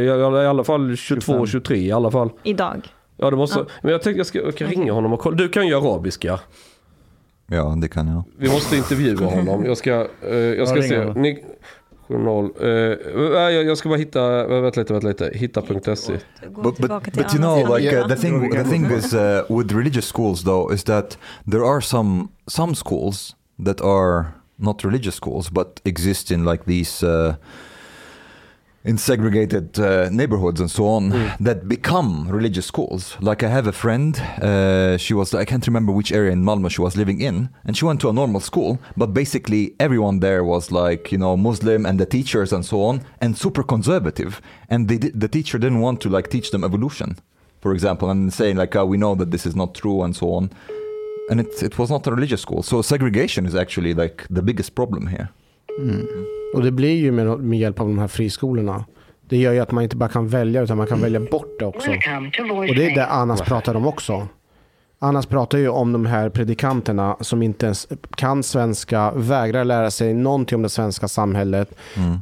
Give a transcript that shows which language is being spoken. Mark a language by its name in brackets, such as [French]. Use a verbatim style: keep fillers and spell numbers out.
[Swedish] Jag, I alla fall tjugotvå tjugotre i alla fall. Idag? Ja, det måste... Ja. Men jag tänkte jag ska jag kan ringa honom och kolla. Du kan ju arabiska. Ja, det kan jag. Vi måste intervjua honom. Jag ska, eh, jag ska jag se. Ni... Journal. Uh, jag, jag ska bara hitta vänta lite, vänta lite. hitta punkt se. [English] But, but, but you know, like uh, the thing, the thing is uh, with religious schools though is that there are some some schools that are not religious schools but exist in like these uh, in segregated uh, neighborhoods and so on mm. that become religious schools. Like I have a friend, uh, she was, I can't remember which area in Malmö she was living in, and she went to a normal school, but basically everyone there was like, you know, Muslim and the teachers and so on, and super conservative. And they, the teacher didn't want to like teach them evolution, for example, and saying like, oh, we know that this is not true and so on. And it, it was not a religious school. So segregation is actually like the biggest problem here. Mm. [Swedish] Och det blir ju med, med hjälp av de här friskolorna. Det gör ju att man inte bara kan välja utan man kan välja bort det också. Och det är det Annas pratar om också. Annas pratar ju om de här predikanterna som inte ens kan svenska, vägrar lära sig någonting om det svenska samhället mm.